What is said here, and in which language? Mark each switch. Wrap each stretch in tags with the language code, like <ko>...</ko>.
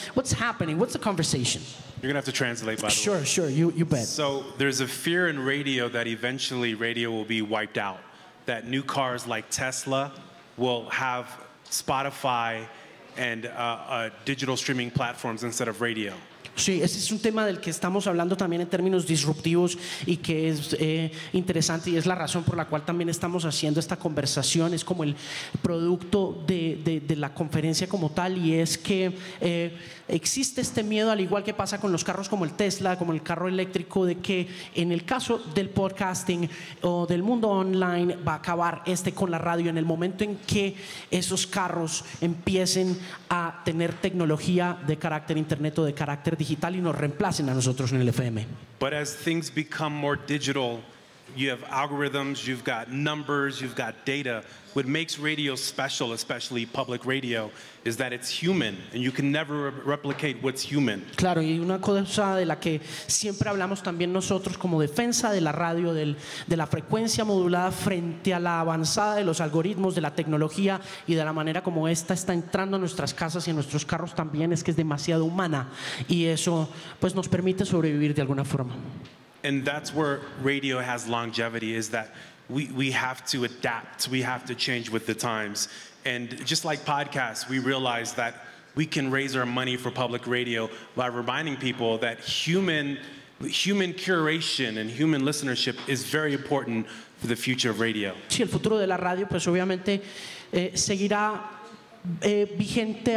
<en>What's happening? What's the conversation? You're going to have to translate, by the sure, way. Sure, sure, you bet. So there's a fear in radio that eventually radio will be wiped out, that new cars like Tesla will have Spotify and digital streaming platforms instead of radio.</en> <es>Sí, ese es un tema del que estamos hablando también en términos disruptivos y que es interesante, y es la razón por la cual también estamos haciendo esta conversación. Es como el producto de la conferencia como tal, y es que existe este miedo, al igual que pasa con los carros como el Tesla, como el carro eléctrico, de que en el caso del podcasting o del mundo online va a acabar este con la radio. En el momento en que esos carros empiecen a tener tecnología de carácter internet o de carácter digital y nos reemplacen a nosotros en el FM.</es> <en>But as things become more digital, you have algorithms, you've got numbers, you've got data. What makes radio special, especially public radio, is that it's human, and you can never replicate what's human.</en> <es>Claro, y una cosa de la que siempre hablamos también nosotros como defensa de la radio, de la frecuencia modulada frente a la avanzada de los algoritmos, de la tecnología y de la manera como esta está entrando a nuestras casas y a nuestros carros también, es que es demasiado humana, y eso pues nos permite sobrevivir de alguna forma.</es> <en>And that's where radio has longevity, is that we have to adapt, we have to change with the times. And just like podcasts, we realize that we can raise our money for public radio by reminding people that human curation and human listenership is very important for the future of radio.</en> <es>Sí, el futuro de la radio, pues obviamente seguirá vigente.</es>